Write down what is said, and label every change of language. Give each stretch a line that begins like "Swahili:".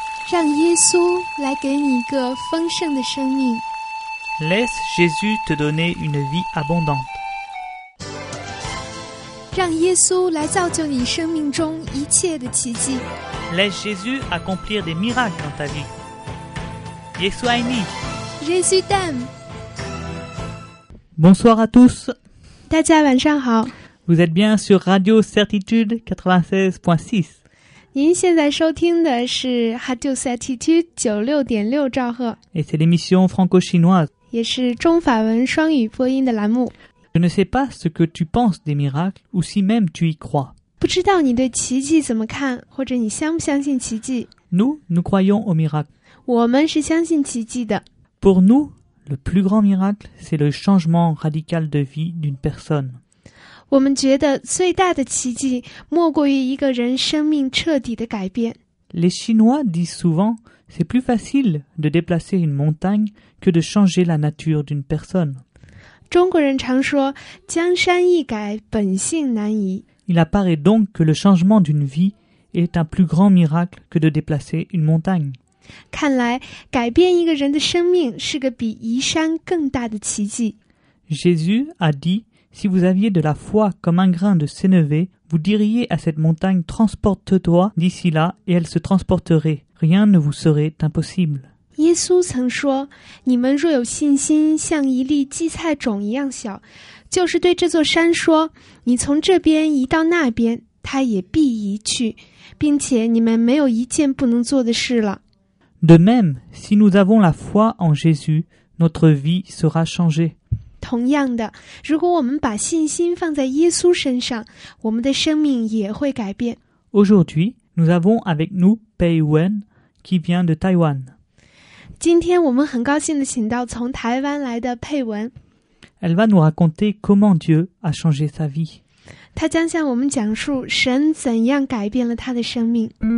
Chinese: 让耶稣来给你一个丰盛的生命。
French: Laisse Jésus te donner une vie abondante.
Chinese: 让耶稣来造就你生命中一切的奇迹。
French: Laisse Jésus accomplir des miracles dans ta vie. Jésus aime. Jésus t'aime. Bonsoir à tous.
Chinese: 大家晚上好。
French: Vous êtes bien sur Radio Certitude 96.6.
Chinese: 您现在收听的是 Radio Certitude 96.6 兆赫。
French: Et c'est l'émission franco-chinoise.
Chinese: 也是中法文双语播音的栏目。
French: Je ne sais pas ce que tu penses des miracles ou si même tu y crois.
Chinese: 不知道你对奇迹怎么看，或者你相不相信奇迹。
French: Nous croyons au miracle.
Chinese: 我们是相信奇迹的。
French: Pour nous, le plus grand miracle, c'est le changement radical de vie d'une personne.
Chinese: 我们觉得最大的奇迹莫过于一个人生命彻底的改变。
French: Les Chinois disent souvent, c'est plus facile de déplacer une montagne que de changer la nature d'une personne.
Chinese: 中国人常说，江山易改，本性难移。
French: Il apparaît donc que le changement d'une vie est un plus grand miracle que de déplacer une montagne.
Chinese: 看来，改变一个人的生命是个比移山更大的奇迹。
French: Jésus a dit,Si vous aviez de la foi comme un grain de sénévé, vous diriez à cette montagne « Transporte-toi d'ici là » et elle se transporterait. Rien ne vous serait impossible.
Chinese: 耶稣曾说，你们若有信心像一粒荠菜种一样小，就是对这座山说，你从这边移到那边，它也必移去，并且你们没有一件不能做的事了。
French: De même, si nous avons la foi en Jésus, notre vie sera changée.
Chinese: 同样的，如果我们把信心放在耶稣身上，我们的生命也会改变。
French: Aujourd'hui, nous avons avec nous Pei Wen, qui vient de Taïwan.
Chinese: 今天我们很高兴地请到从台湾来的佩文。
French: Elle va nous raconter comment Dieu a changé sa vie.
Chinese: 她将向我们讲述神怎样改变了她的生命。